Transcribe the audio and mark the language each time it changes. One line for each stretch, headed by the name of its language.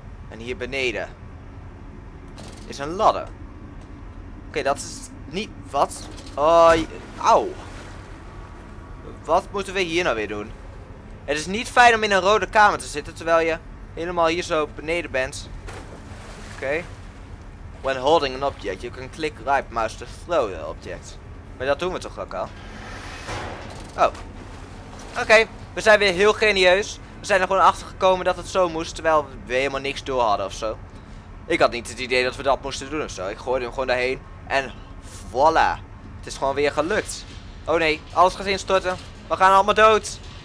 Dutch: En hier beneden is een ladder. Oké, dat is niet... Wat? Auw. Wat moeten we hier nou weer doen? Het is niet fijn om in een rode kamer te zitten terwijl je helemaal hier zo beneden bent. Oké.
English: When holding an object, you can click right mouse to throw the object.
Dutch: Maar dat doen we toch ook al? Oh. Oké. We zijn weer heel genieus. We zijn er gewoon achter gekomen dat het zo moest, terwijl we helemaal niks door hadden of zo. Ik had niet het idee dat we dat moesten doen of zo. Ik gooide hem gewoon daarheen. En voilà. Het is gewoon weer gelukt. Oh nee, alles gaat instorten. We gaan allemaal dood.